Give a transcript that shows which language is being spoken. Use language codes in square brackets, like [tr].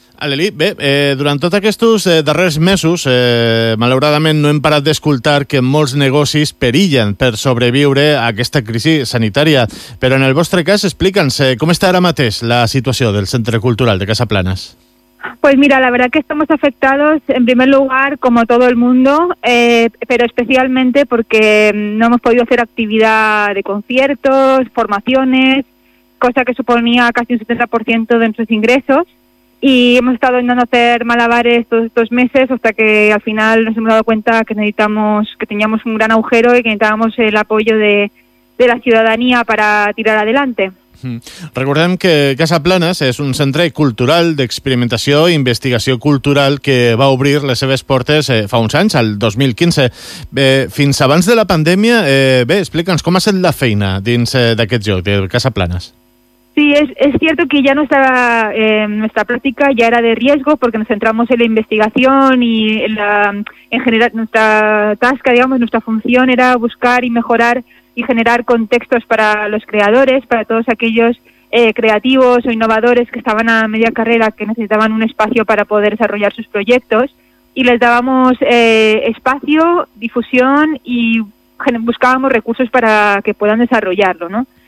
[ca] Aleli, bé, durant tots aquests darrers mesos, malauradament no hem parat d'escoltar que molts negocis perillen per sobreviure a aquesta crisi sanitària. Però en el vostre cas, explica'ns com està ara mateix la situació del Centre Cultural de Casaplanes. [es] Pues mira, la verdad que estamos afectados en primer lugar como todo el mundo, pero especialmente porque no hemos podido hacer actividad de conciertos, formaciones, cosa que suponía casi un 70% de nuestros ingresos, y hemos estado intentando hacer malabares todos estos meses hasta que al final nos hemos dado cuenta que necesitamos, que teníamos un gran agujero y que necesitábamos el apoyo de la ciudadanía para tirar adelante. [ca] Recordem que Casaplanes és un centre cultural d'experimentació i investigació cultural que va obrir les seves portes fa uns anys, al 2015. Bé, fins abans de la pandèmia, bé, explica'ns com ha estat la feina dins d'aquest lloc, de Casaplanes. [es] Sí, es cierto que ya nuestra, nuestra práctica ya era de riesgo porque nos centramos en la investigación y en, la, en general nuestra tasca, digamos, nuestra función era buscar y mejorar y generar contextos para los creadores, para todos aquellos creativos o innovadores que estaban a media carrera, que necesitaban un espacio para poder desarrollar sus proyectos, y les dábamos espacio, difusión y buscábamos recursos para que puedan desarrollarlo, ¿no?